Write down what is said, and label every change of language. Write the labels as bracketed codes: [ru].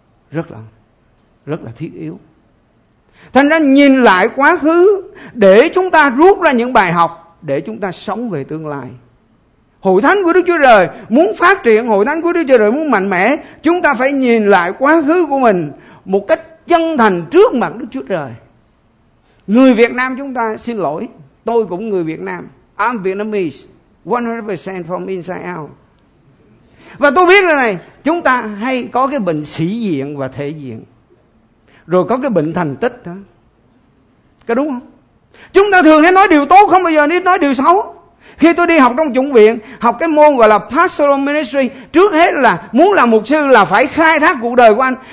[vi] Rất là thiết yếu. Thành ra nhìn lại quá khứ để chúng ta rút ra những bài học để chúng ta sống về tương lai. Hội thánh của Đức Chúa Trời muốn phát triển, hội thánh của Đức Chúa Trời muốn mạnh mẽ, chúng ta phải nhìn lại quá khứ của mình một cách chân thành trước mặt Đức Chúa Trời. Người Việt Nam chúng ta, xin lỗi, tôi cũng người Việt Nam. [en] I'm Vietnamese, 100% from inside out. [vi] Và tôi biết rồi này, chúng ta hay có cái bệnh sĩ diện và thể diện, rồi có cái bệnh thành tích đó. Có đúng không? Chúng ta thường hay nói điều tốt, không bao giờ nói điều xấu. Khi tôi đi học trong chủng viện, học cái môn gọi là pastoral ministry, trước hết là muốn làm mục sư là phải khai thác cuộc đời của anh.